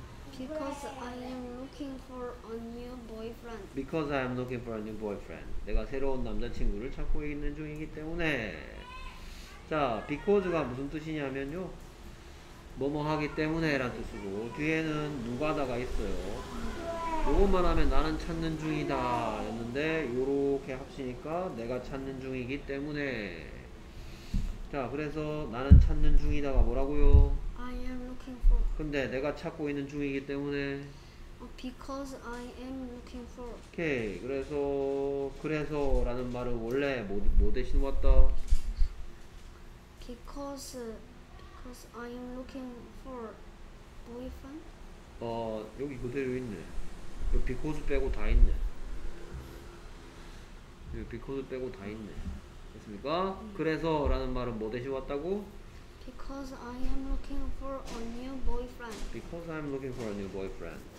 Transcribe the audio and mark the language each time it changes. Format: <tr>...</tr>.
<en>Because I am looking for a new boyfriend. Because I am looking for a new boyfriend.</en> <ko>내가 새로운 남자친구를 찾고 있는 중이기 때문에. 자, because가 무슨 뜻이냐면요. 뭐뭐 하기 때문에란 뜻이고 뒤에는 누가다가 있어요. 요것만 하면 나는 찾는 중이다 였는데 요렇게 합치니까 내가 찾는 중이기 때문에. 자, 그래서 나는 찾는 중이다가 뭐라고요?</ko> <en>I am looking for.</en> <ko>근데 내가 찾고 있는 중이기 때문에</ko> <en>because I am looking for. 오케이.</en> <ko>그래서 그래서 라는 말은 원래 뭐 대신 왔다?</ko> <en>Because I am looking for boyfriend.</en> <ko>어, 여기 그대로 있네. 이 because 빼고 다 있네. 이 because 빼고 다 있네. 됐습니까? 그래서 라는 말은 뭐 대신 왔다고?</ko> <en>Because I am looking for a new boyfriend. Because I am looking for a new boyfriend.</en>